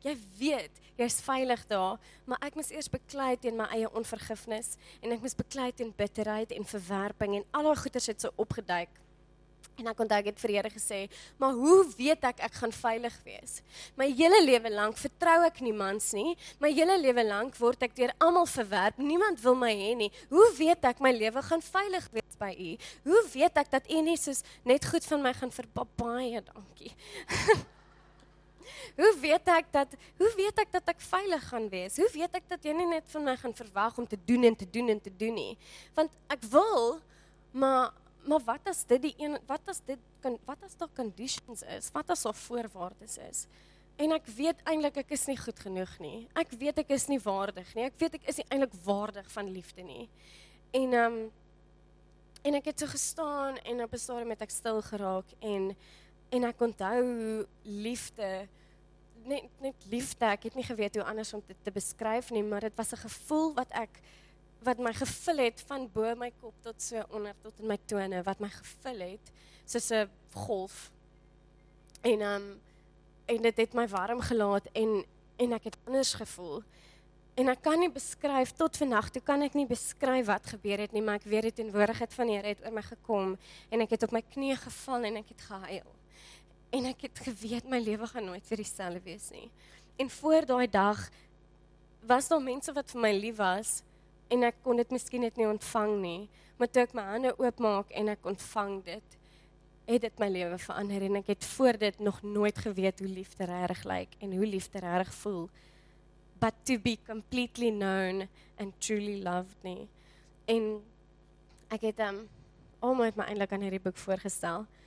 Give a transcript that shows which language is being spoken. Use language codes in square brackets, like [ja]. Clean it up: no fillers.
[af] Jy weet, jy's veilig daar, maar ek moes eers beklei teen my eie onvergifnis en ek moes beklei teen bitterheid en verwerping en al daai goeters het so opgeduik. En ek onthou ek het vir Here gesê, maar hoe weet ek gaan veilig wees? My hele lewe lank vertrou ek niemands nie. My hele lewe lank word ek deur almal verwerp. Niemand wil my hê nie. Hoe weet ek my lewe gaan veilig wees by U? Hoe weet ek dat U nie soos net goed van my gaan verbaai? Baie dankie. Hoe weet ek dat ek veilig gaan wees? Hoe weet ek dat jy nie net van my gaan verwag om te doen en te doen en te doen nie? Want ek wil, maar wat as dit die een, wat as daar conditions is? Wat as daar voorwaardes is? En ek weet eintlik ek is nie goed genoeg nie. Ek weet ek is nie waardig nie. Ek weet ek is nie eintlik waardig van liefde nie. En ek het so gestaan en op 'n stadium het ek stil geraak en ek onthou liefde net liefde. Ek het nie geweet hoe anders om dit te beskryf nie, maar dit was 'n gevoel wat ek wat my gevul het van bo my kop tot so onder tot in my tone, wat my gevul het soos 'n golf. En dit het my warm gelaat en ek het anders gevoel. En ek kan nie beskryf tot vannag toe kan ek nie beskryf wat gebeur het nie, maar ek weet die teenwoordigheid van die Here het oor my gekom en ek het op my knie geval en ek het gehuil. En ek het geweet my lewe gaan nooit weer dieselfde wees nie. En voor daai dag was daar mense wat vir my lief was en ek kon dit miskien net nie ontvang nie, maar toe ek my hande oopmaak en ek ontvang dit, het dit my lewe verander en ek het voor dit nog nooit geweet hoe liefde regtig lyk en hoe liefde regtig voel. [en] But to be completely known and truly loved nie. [af] En ek het almal het my eintlik aan hierdie boek voorgestel.